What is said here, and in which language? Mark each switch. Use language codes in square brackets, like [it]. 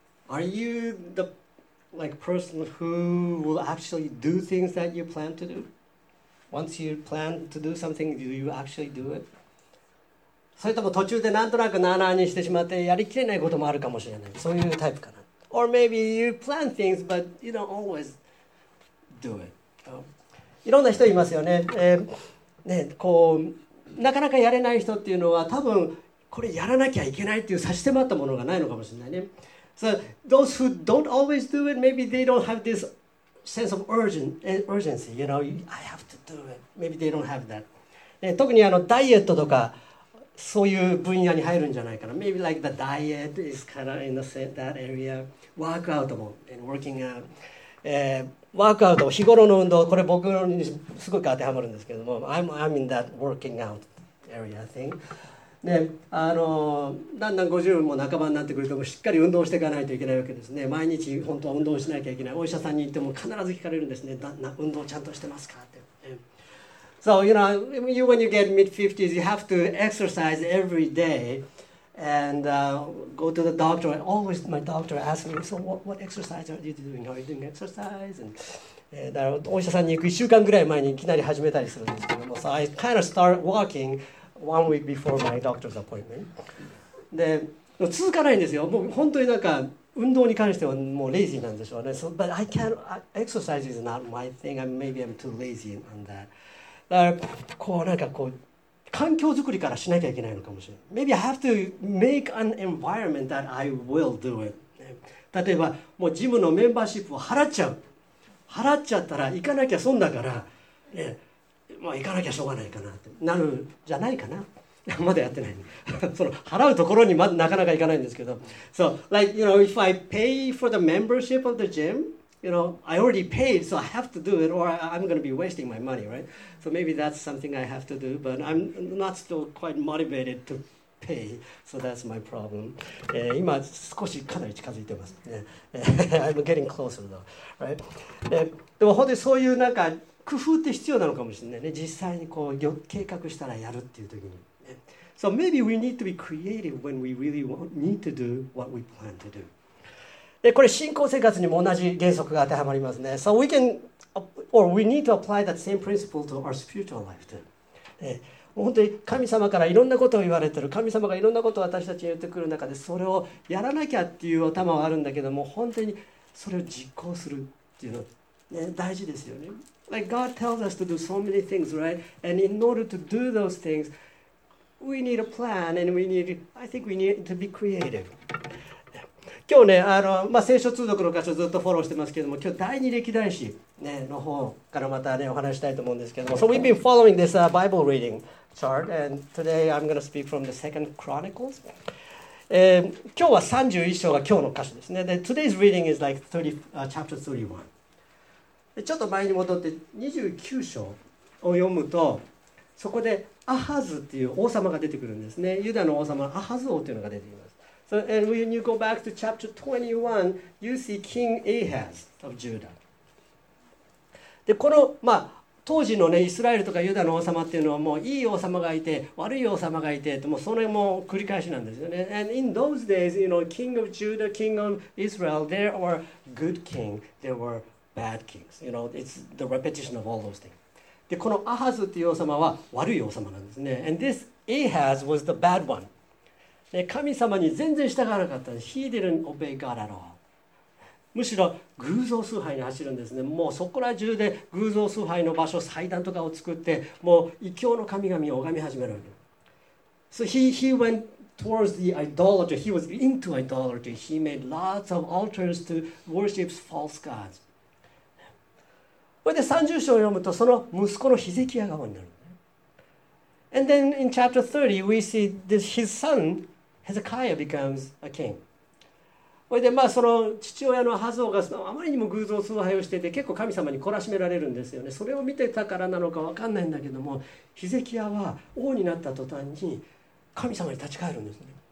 [en] Are you the like person who will actually do things that you plan to do? Once you plan to do something, do you actually do it? [ja] それとも途中でなんとなくなーなーにしてしまってやりきれないこともあるかもしれない、そういうタイプかな。 [en] Or maybe you plan things but you don't always do it. [ja] いろんな人いますよね。ね、こうなかなかやれない人っていうのは多分これやらなきゃいけないっていう差し迫ったものがないのかもしれないね。 [en] So those who don't always do it, maybe they don't have this sense of urgency, you know, I have to do it. Maybe they don't have that.、 [ja] ね、特にダイエットとかそういう分野に入るんじゃないかな。 [en] Maybe like the diet is kind of in the, that area. Workout も and working out.、 [ja] ワークアウト、日頃の運動、これ僕にすごく当てはまるんですけども、 [en] I'm in that working out area thing. [ja] ね、だんだん50も半ばになってくると、しっかり運動していかないといけないわけですね。毎日本当は運動しなきゃいけない。お医者さんに行っても必ず聞かれるんですね。運動ちゃんとしてますかって。 [en] So, you know, you, when you get mid-50s, you have to exercise every day and、go to the doctor. Always my doctor asks me, so what exercise are you doing? Are you doing exercise? And, [ja] だからお医者さんに行く1週間ぐらい前にいきなり始めたりするんですけども、 [en] So I kind of start walking one week before my doctor's appointment. [ja] で、続かないんですよ。もう本当になんか運動に関してはもうレイジーなんでしょうね。 [en] So, but I can't, exercise is not my thing. Maybe I'm too lazy on that. [ja] だからこうなんかこう環境作りからしなきゃいけないのかもしれない。 [en] Maybe I have to make an environment that I will do it. [ja] 例えばもうジムのメンバーシップを払っちゃう。払っちゃったら行かなきゃ損だから、ね、もう行かなきゃしょうがないかなってなるじゃないかな。まだやってない、ね。その払うところにまだなかなか行かないんですけど。 [en] So like you know if I pay for the membership of the gym. You know, I already paid, so I have to do it, or I'm going to be wasting my money, right? So maybe that's something I have to do, but I'm not still quite motivated to pay, so that's my problem. [ja] 今少しかなり近づいてます。 [en] I'm getting closer though, right? [ja] でも本当にそういうなんか工夫って必要なのかもしれないね。実際にこう計画したらやるっていう時に。 [en] So maybe we need to be creative when we really need to do what we plan to do. [ja] でこれ信仰生活にも同じ原則が当てはまりますね。 [en] So we can, or we need to apply that same principle to our spiritual life too. [ja] 本当に神様からいろんなことを言われてる。神様がいろんなことを私たちに言ってくる中で、それをやらなきゃっていう頭はあるんだけども、本当にそれを実行するっていうのは、ね、大事ですよね。 [en] Like God tells us to do so many things, right? And in order to do those things, we need a plan and I think we need to be creative. [ja] 今日ね、まあ、聖書通読の箇所ずっとフォローしてますけども、今日第二歴代史、ね、の方からまたねお話したいと思うんですけども。 [en] So we've been following this、Bible reading chart, and today I'm going to speak from the Second Chronicles.、 [ja] 今日は31章が今日の箇所ですね。 [en] で、Today's reading is like chapter 31. [ja] でちょっと前に戻って29章を読むと、そこでアハズっていう王様が出てくるんですね。ユダの王様のアハズ王というのが出てきます。 [en] So, and when you go back to chapter 21, you see King Ahaz of Judah. [ja] で、この、まあ、当時のね、イスラエルとかユダの王様っていうのは、もういい王様がいて、悪い王様がいて、もうそれも繰り返しなんですよね。 [en] And in those days, you know, King of Judah, King of Israel, there were good kings, there were bad kings. You know, it's the repetition of all those things. [ja] で、このアハズっていう王様は悪い王様なんですね。 [en] And this Ahaz was the bad one. [ja] 神様に全然従わなかったんです。 [en] He didn't obey God at all. [ja] むしろ偶像崇拝に走るんですね。もうそこら中で偶像崇拝の場所、祭壇とかを作って、もう異教の神々を拝み始める。 [en] So he went towards the idolatry. He was into idolatry. He made lots of altars to worship false gods. [ja] これで30章を読むと、その息子のヒゼキヤ側になる。 [en] And then in chapter 30, we see this, his son,Hezekiah becomes a king. [ja] それでまあその父親のハズ王があまりにも偶像崇拝をしていて結構神様に懲らしめられるんですよね。それを見てたからなのか分かんないんだけども、ヒゼキヤは王になった途端に神様に立ち返るんですね。